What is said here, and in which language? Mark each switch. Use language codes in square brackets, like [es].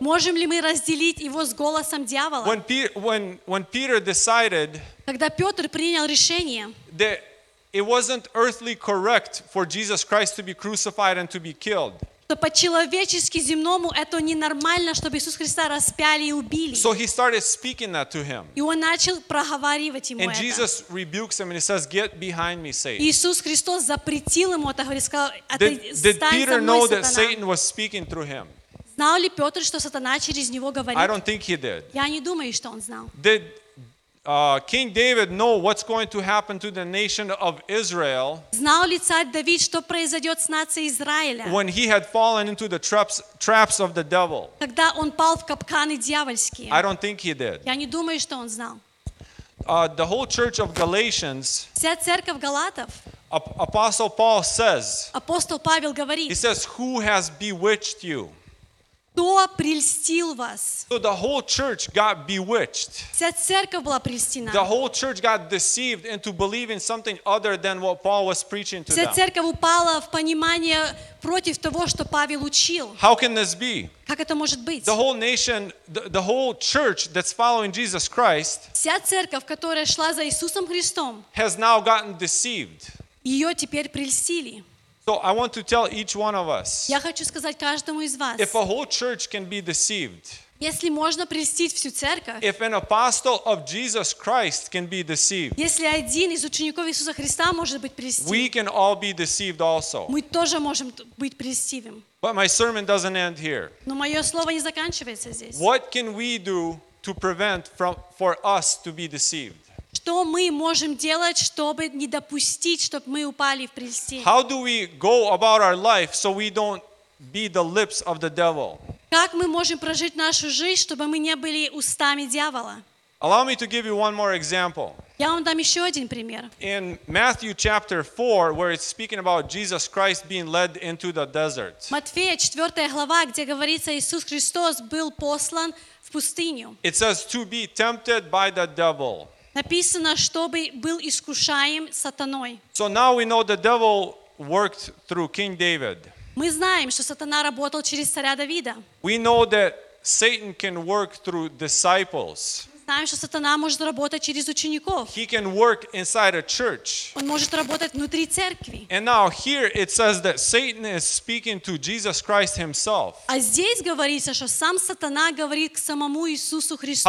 [ru] Можем ли мы разделить его с голосом дьявола? [en] When Peter decided, [ru] когда Петр принял решение, [en] that it wasn't earthly correct for Jesus Christ to be crucified and to be killed. [ru] Что по-человечески земному это ненормально, чтобы Иисуса Христа распяли и убили. [en] So he started speaking that to him. [ru] И он начал проговаривать ему это. [en] And Jesus rebukes him and he says, "Get behind me, Satan." [ru] Иисус Христос запретил ему это, говорит, сказал, "Отстань от меня, сатана." [en] Did Peter know that Satan was speaking through him? [ru] Знал ли Петр, что сатана через него говорит? [en] I don't think he did. [ru] Я не думаю, что он знал. [en] Did King David know what's going to happen to the nation of Israel? [ru] Знал ли царь Давид, что произойдет с нацией Израиля? [en] When he had fallen into the traps of the devil. [ru] Когда он пал в капканы дьявольские. [en] I don't think he did. [ru] Я не думаю, что он знал. [en] The whole church of Galatians. [ru] Вся церковь Галатов. [en] Apostle Paul says. [ru] Апостол Павел говорит. [en] He says, "Who has bewitched you?" [ru] Кто прельстил вас? [en] So the whole church got bewitched. [ru] Вся церковь была прельстена. [en] The whole church got deceived into believing something other than what Paul was preaching to them. [ru] Вся церковь упала в понимание против того, что Павел учил. [en] How can this be? [ru] Как это может быть? [en] The whole nation, the whole church that's following Jesus Christ. [ru] Вся церковь, которая шла за Иисусом Христом. [en] Has now gotten deceived. [ru] Ее теперь прельстили. [en] So I want to tell each one of us. [ru] Я хочу сказать каждому из вас. [en] If a whole church can be deceived. [ru] Если можно прельстить всю церковь. [en] If an apostle of Jesus Christ can be deceived. [ru] Если один из учеников Иисуса Христа может быть прельстен. [en] We can all be deceived also. [ru] Мы тоже можем быть прельстивым. [en] But my sermon doesn't end here. [ru] Но мое слово не заканчивается здесь. [en] What can we do to prevent for us to be deceived? [ru] Что мы можем делать, чтобы не допустить, чтобы мы упали в прельстение? [en] How do we go about our life so we don't be the lips of the devil? [ru] Как мы можем прожить нашу жизнь, чтобы мы не были устами дьявола? [en] Allow me to give you one more example. [ru] Я вам дам еще один пример. [en] In Matthew chapter 4, where it's speaking about Jesus Christ being led into the desert. [ru] Матфея 4 глава, где говорится, Иисус Христос был послан в пустыню. [en] It says to be tempted by the devil. [ru] Написано, чтобы был искушаем сатаной. [en] So now we know the devil worked through King David. [ru] Мы знаем, что сатана работал через царя Давида. [en] We know that Satan can work through disciples. [ru] Мы знаем, что сатана может работать через учеников. [en] He can work inside a church. [ru] Он может работать внутри церкви. [en] And now here it says that Satan is speaking to Jesus Christ himself. [ru] А здесь говорится, что сам сатана говорит к самому Иисусу Христу.